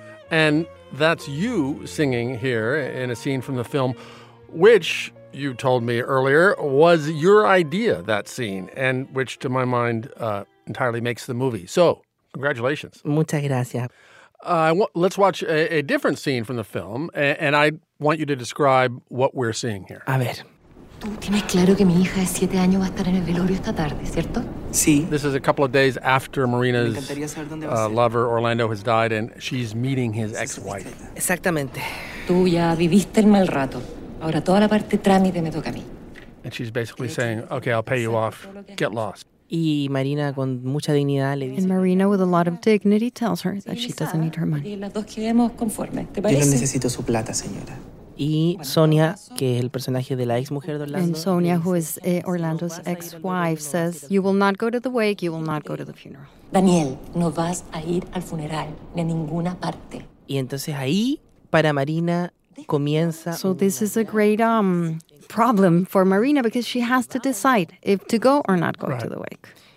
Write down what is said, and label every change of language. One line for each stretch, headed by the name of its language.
English: And that's you singing here in a scene from the film, which you told me earlier was your idea, that scene, and which to my mind entirely makes the movie. So, congratulations.
Spanish: Muchas gracias.
English: Let's watch a different scene from the film, and I want you to describe what we're seeing here.
Spanish: A ver. Tú tienes claro que mi hija de 7 años va a estar en el velorio esta tarde, ¿cierto? Sí.
English: This is a couple of days after Marina's lover, Orlando, has died, and she's meeting his ex-wife.
Spanish: Exactamente. Tú ya viviste el mal rato. Ahora toda la parte trámite me toca a mí.
English: And she's basically saying, okay, I'll pay you off. Get lost.
Spanish: Y Marina con mucha dignidad le dice...
English: And Marina, with a lot of dignity, tells her that she doesn't need her money.
Spanish: Y las dos quedemos conformes, ¿te parece? Yo no necesito su plata, señora. Y Sonia, que es el personaje de la ex mujer de Orlando.
English: And Sonia, who is Orlando's ex-wife, says, you will not go to the wake, you will not go to the funeral.
Spanish: Daniel, no vas a ir al funeral, ni a ninguna parte. Y entonces ahí, para Marina, comienza...
English: So this is a great problem for Marina, because she has to decide if to go or not go right to the wake.